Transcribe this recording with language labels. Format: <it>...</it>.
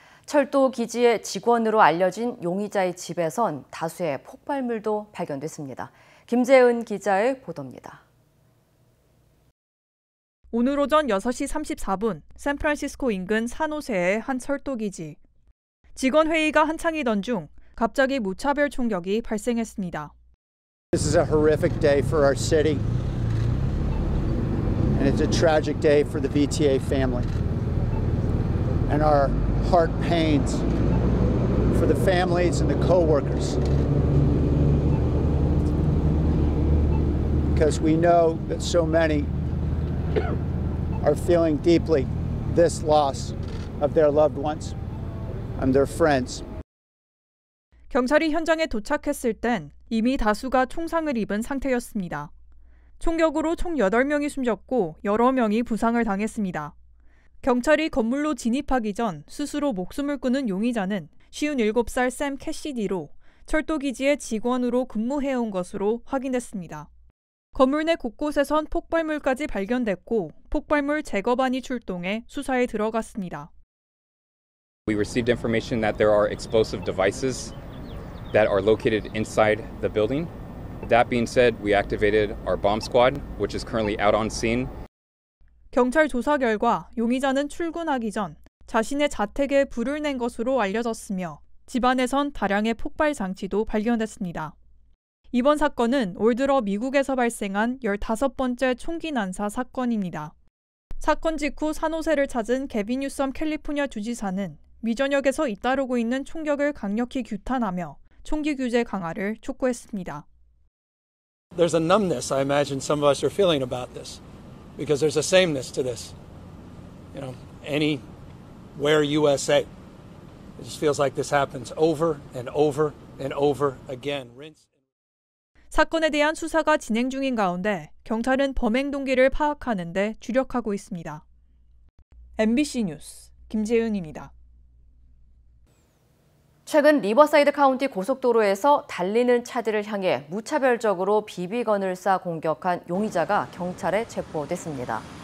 <ko>철도기지의 직원으로 알려진 용의자의 집에선 다수의 폭발물도 발견됐습니다. 김재은 기자의 보도입니다. 오늘 오전 6시 34분 샌프란시스코 인근 산호세의 한 철도기지. 직원 회의가 한창이던 중 갑자기 무차별 총격이 발생했습니다.</ko> <en>This is a horrific day for our city. And it's a tragic day for the VTA family. And our heart pains for the families and the co-workers. Because we know that so many are feeling deeply this loss of their loved ones and their friends.</en> <ko>경찰이 현장에 도착했을 땐 이미 다수가 총상을 입은 상태였습니다. 총격으로 총 8명이 숨졌고 여러 명이 부상을 당했습니다. 경찰이 건물로 진입하기 전 스스로 목숨을 끊은 용의자는 57살 샘 캐시디로 철도기지의 직원으로 근무해온 것으로 확인됐습니다. 건물 내 곳곳에선 폭발물까지 발견됐고 폭발물 제거반이 출동해 수사에 들어갔습니다.</ko> <en>We received information that there are explosive devices that are located inside the building. That being said, we activated our bomb squad, which is currently out on scene.</en> <ko>경찰 조사 결과 용의자는 출근하기 전 자신의 자택에 불을 낸 것으로 알려졌으며 집안에선 다량의 폭발 장치도 발견됐습니다. 이번 사건은 올 들어 미국에서 발생한 15번째 총기 난사 사건입니다. 사건 직후 산호세를 찾은 개빈 뉴섬 캘리포니아 주지사는 미전역에서 잇따르고 있는 총격을 강력히 규탄하며 총기 규제 강화를 촉구했습니다.</ko> <en>There's a numbness I imagine some of us are feeling about this because there's a sameness to this. You know, anywhere USA. It just feels like this happens over and over and over again.</en> <ko>사건에 대한 수사가 진행 중인 가운데 경찰은 범행 동기를 파악하는 데 주력하고 있습니다. MBC 뉴스 김재윤입니다. 최근 리버사이드 카운티 고속도로에서 달리는 차들을 향해 무차별적으로 BB건을 쏴 공격한 용의자가 경찰에 체포됐습니다.</ko>